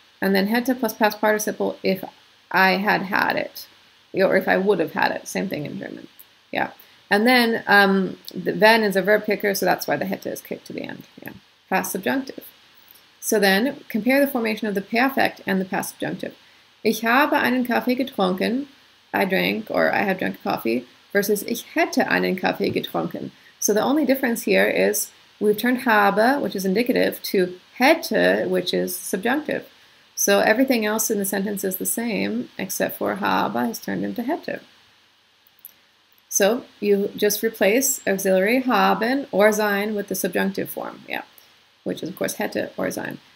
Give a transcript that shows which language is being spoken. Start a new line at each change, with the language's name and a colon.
English: And then hätte plus past participle, if I had it, or if I would have had it. Same thing in German, yeah. And then the wenn is a verb kicker, so that's why the hätte is kicked to the end, yeah. Past subjunctive. So then, compare the formation of the perfect and the past subjunctive.
German: Ich habe einen Kaffee getrunken, I drank, or I have drunk coffee, versus ich hätte einen Kaffee getrunken.
English: So the only difference here is we've turned habe, which is indicative, to hätte, which is subjunctive. So everything else in the sentence is the same, except for habe has turned into hätte. So you just replace auxiliary haben or sein with the subjunctive form, yeah, which is of course hätte or sein.